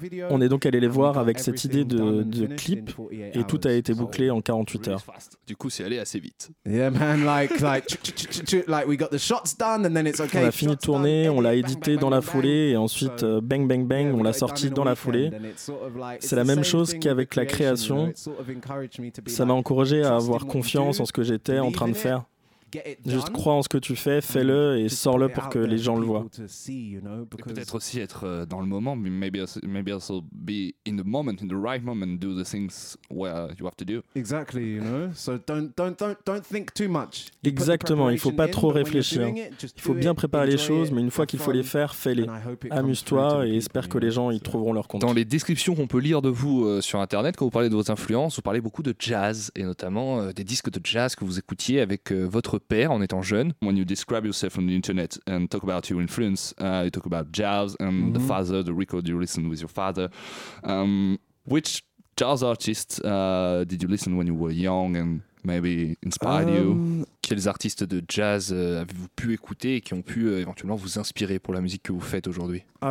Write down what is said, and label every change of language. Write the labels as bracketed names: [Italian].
[French] On est donc allé les voir avec cette idée de clip et tout a été bouclé en 48 heures. Du coup, c'est allé assez vite. [English] Yeah, man, like we got the shots done and then it's okay. [French] On a fini de tourner, on l'a édité dans la foulée et ensuite bang bang bang, on l'a sorti dans la foulée. C'est la même chose qu'avec la création. Ça m'a encouragé à avoir confiance en ce que j'étais en train de faire. Juste crois en ce que tu fais, fais-le et sors-le pour que les gens le voient. Et peut-être aussi être dans le moment, [English] maybe also be in the moment, in the right moment, do the things where you have to do. Exactly, you know. So don't think too much. [French] Exactement, il faut pas trop réfléchir. Il faut bien préparer les choses, mais une fois qu'il faut les faire, fais-les. Amuse-toi et espère que les gens y trouveront leur compte. Dans les descriptions qu'on peut lire de vous sur internet, quand vous parlez de vos influences, vous parlez beaucoup de jazz et notamment des disques de jazz que vous écoutiez avec votre père en étant jeune. [English] When you describe yourself on the internet and talk about your influence, you talk about jazz and the father, the record you listen with your father. Which jazz artist did you listen when you were young and maybe inspired you? [French] Quels artistes de jazz avez-vous pu écouter et qui ont pu éventuellement vous inspirer pour la musique que vous faites aujourd'hui?